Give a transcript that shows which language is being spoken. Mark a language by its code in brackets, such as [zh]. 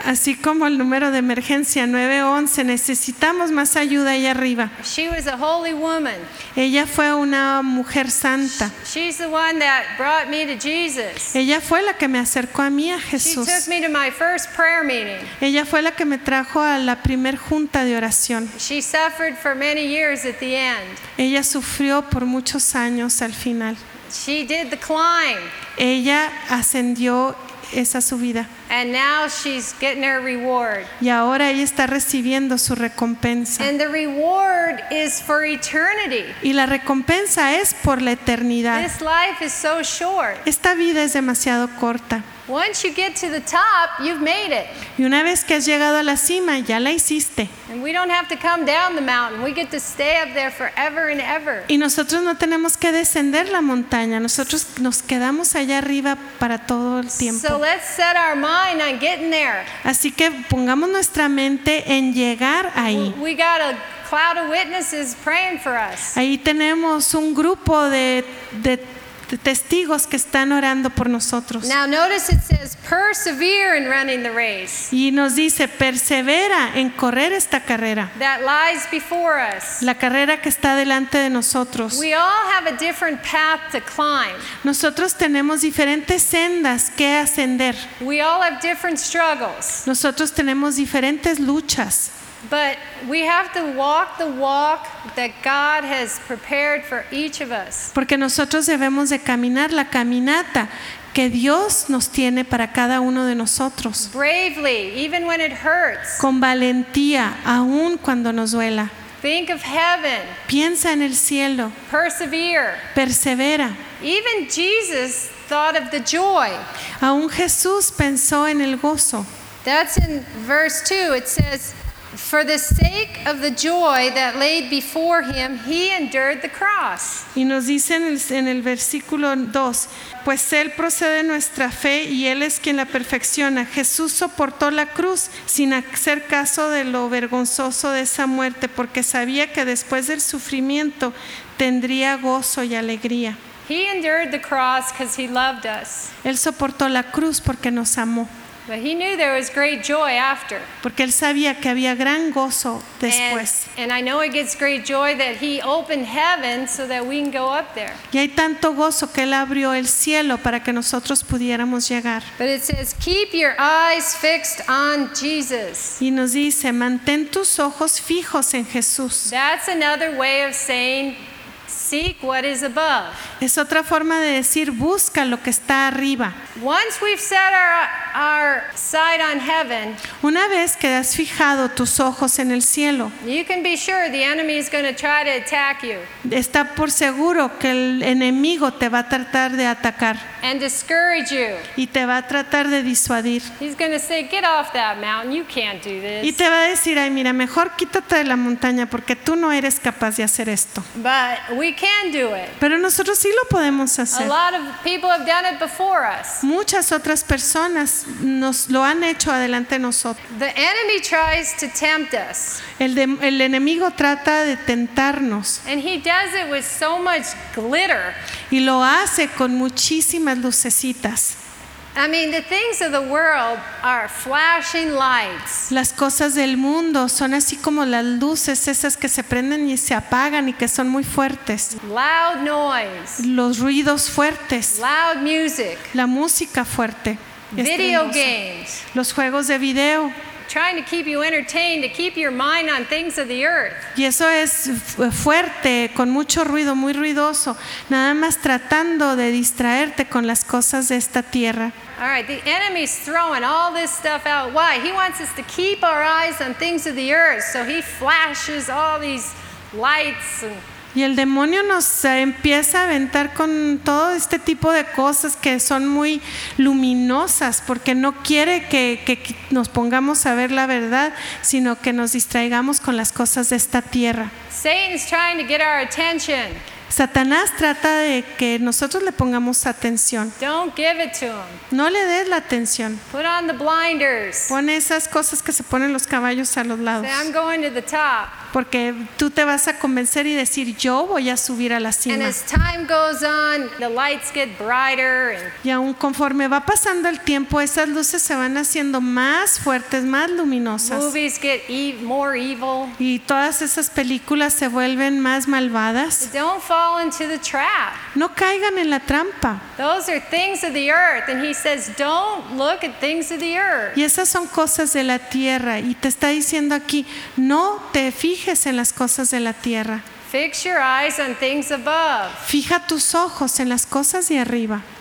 [es] Así como el número de emergencia 911, necesitamos más ayuda allá arriba. [en] She was a holy woman. [es] Ella fue una mujer santa. [en] She's the one that brought me to Jesus. [es] Ella fue la que me acercó a mí a Jesús. [en] She took me to my first prayer meeting. [es] Ella fue la que me trajo a la primer junta de oración. [en] She suffered for many years at the end. [es] Ella sufrió por muchos años al final. [en] She did the climb. [es] Ella ascendió esa subida. [en] And now she's getting her reward. [es] Y ahora ella está recibiendo su recompensa. [en] And the reward is for eternity. [es] Y la recompensa es por la eternidad. [en] This life is so short. [es] Esta vida es demasiado corta. [en] Once you get to the top, you've made it. [es] Y una vez que has llegado a la cima, ya la hiciste. [en] And we don't have to come down the mountain. We get to stay up there forever and ever. [es] Y nosotros no tenemos que descender la montaña. Nosotros nos quedamos allá arriba para todo el tiempo. [en] So let's set our mind on getting there. [es] Así que pongamos nuestra mente en llegar ahí. [en] We got a cloud of witnesses praying for us. [es] Ahí tenemos un grupo de testigos que están orando por nosotros. [en] Now notice it says persevere in running the race. [es] Y nos dice persevera en correr esta carrera. [en] That lies before us. [es] La carrera que está delante de nosotros. [en] We all have a different path to climb. [es] Nosotros tenemos diferentes sendas que ascender. [en] We all have different struggles. [es] Nosotros tenemos diferentes luchas. [en] But we have to walk the walk that God has prepared for each of us. [es] Porque nosotros debemos de caminar la caminata que Dios nos tiene para cada uno de nosotros. [en] Bravely, even when it hurts. [es] Con valentía, aun cuando nos duela. [en] Think of heaven. [es] Piensa en el cielo. [en] Persevere. [es] Persevera. [en] Even Jesus thought of the joy. [es] Aun Jesús pensó en el gozo. [en] That's in verse 2. It says, for the sake of the joy that lay before him, he endured the cross. [es] Y nos dice en el versículo 2, pues él procede nuestra fe y él es quien la perfecciona. Jesús soportó la cruz sin hacer caso de lo vergonzoso de esa muerte, porque sabía que después del sufrimiento tendría gozo y alegría. [en] He endured the cross because he loved us. [es] Él soportó la cruz porque nos amó. [en] But he knew there was great joy after. [es] Porque él sabía que había gran gozo después. [en] And I know it gets great joy that he opened heaven so that we can go up there. [es] Y hay tanto gozo que él abrió el cielo para que nosotros pudiéramos llegar. [en] But it says, keep your eyes fixed on Jesus. [es] Y nos dice, mantén tus ojos fijos en Jesús. [en] That's another way of saying, seek what is above. [es] Es otra forma de decir busca lo que está arriba. [en] Once we've set our sight on heaven, [es] una vez que has fijado tus ojos en el cielo, [en] you can be sure the enemy is going to try to attack you. [es] Está por seguro que el enemigo te va a tratar de atacar. [en] And discourage you. [es] Y te va a tratar de disuadir. [en] He's going to say, get off that mountain, you can't do this. [es] Y te va a decir, ay mira, mejor quítate de la montaña porque tú no eres capaz de hacer esto. [en] But we can do it. [es] Pero nosotros sí lo podemos hacer. [en] A lot of people have done it before us. [es] Muchas otras personas nos lo han hecho adelante de nosotros. [en] The enemy tries to tempt us. [es] El enemigo trata de tentarnos. [en] And he does it with so much glitter. [es] Y lo hace con muchísimas lucecitas. [en] I mean, the things of the world are flashing lights. [es] Las cosas del mundo son así como las luces esas que se prenden y se apagan y que son muy fuertes. [en] Loud noise. [es] Los ruidos fuertes. [en] Loud music. [es] La música fuerte. [en] Video games. [es] Los juegos de video. [en] Trying to keep you entertained, to keep your mind on things of the earth. [es] Y eso es fuerte, con mucho ruido, muy ruidoso, nada más tratando de distraerte con las cosas de esta tierra. [en] All right, the enemy's throwing all this stuff out. Why? He wants us to keep our eyes on things of the earth, so he flashes all these lights and. [es] Y el demonio nos empieza a aventar con todo este tipo de cosas que son muy luminosas porque no quiere que nos pongamos a ver la verdad, sino que nos distraigamos con las cosas de esta tierra. [en] Satan's trying to get our attention. [es] Satanás trata de que nosotros le pongamos atención. [en] Don't give it to him. [es] No le des la atención. [en] Put on the blinders. [es] Pon esas cosas que se ponen los caballos a los lados. [en] Say, I'm going to the top. [es] Porque tú te vas a convencer y decir, yo voy a subir a la cima. [en] And as time goes on, the lights get brighter and. [es] Y aún conforme va pasando el tiempo, esas luces se van haciendo más fuertes, más luminosas. [en] Movies get more evil. [es] Y todas esas películas se vuelven más malvadas. [en] Don't fall into the trap. [es] No caigan en la trampa. [en] Those are things of the earth, and he says, don't look at things of the earth. [es] Y esas son cosas de la tierra, y te está diciendo aquí, no te fijes en las cosas de la tierra. [en] Fix your eyes on things above. [es] Fija tus ojos en las cosas de arriba.